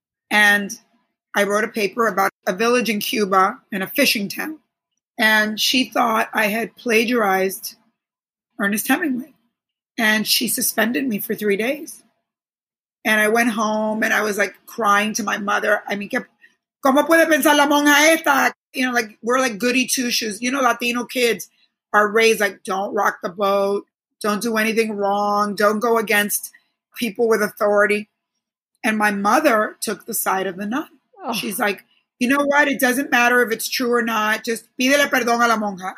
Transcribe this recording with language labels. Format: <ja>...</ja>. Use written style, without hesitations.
<en>And I wrote a paper about a village in Cuba and a fishing town. And she thought I had plagiarized Ernest Hemingway. And she suspended me for 3 days. And I went home and I was like crying to my mother. I mean,</en> <es>¿cómo puede pensar la monja esta?</es> <en>You know, like we're like goody two shoes. You know, Latino kids are raised like, don't rock the boat. Don't do anything wrong. Don't go against people with authority. And my mother took the side of the nun. Oh. She's like, you know what? It doesn't matter if it's true or not. Just</en> <es>pídele perdón a la monja.</es>